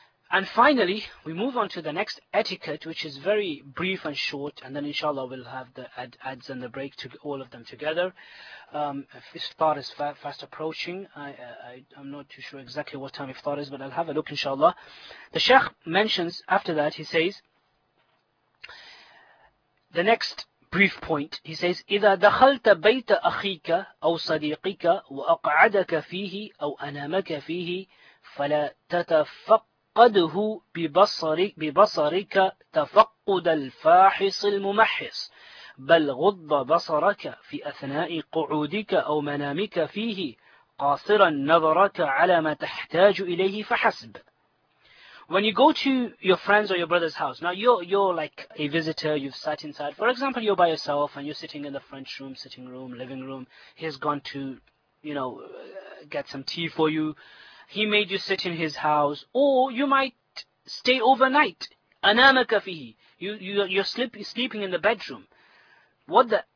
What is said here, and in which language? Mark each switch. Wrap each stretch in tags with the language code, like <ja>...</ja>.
<en>And finally, we move on to the next etiquette, which is very brief and short, and then inshallah we'll have the ads and the break to all of them together. Iftar is fast approaching. I'm not too sure exactly what time iftar is, but I'll have a look inshallah. The Sheikh mentions after that, he says,</en> <ar>the next brief point, he says, إِذَا دَخَلْتَ بَيْتَ أَخِيكَ أَوْ صَدِيقِكَ وَأَقْعَدَكَ فِيهِ أَوْ أَنَامَكَ فِيهِ فَلَا تَتَفَقَّ قده ببصرك تفقد الفاحص الممحص بل غض بصرك في أثناء قعودك أو منامك فيه قاصرا نظرك على ما تحتاج إليه فحسب.</ar> <en>When you go to your friend's or your brother's house, now you're like a visitor, you've sat inside. For example, you're by yourself and you're sitting in the French room, sitting room, living room. He's gone to, you know, get some tea for you. He made you sit in his house, or you might stay overnight.</en> <ar>Anamaka fihi.</ar> <en>You're sleeping in the bedroom. What the</en>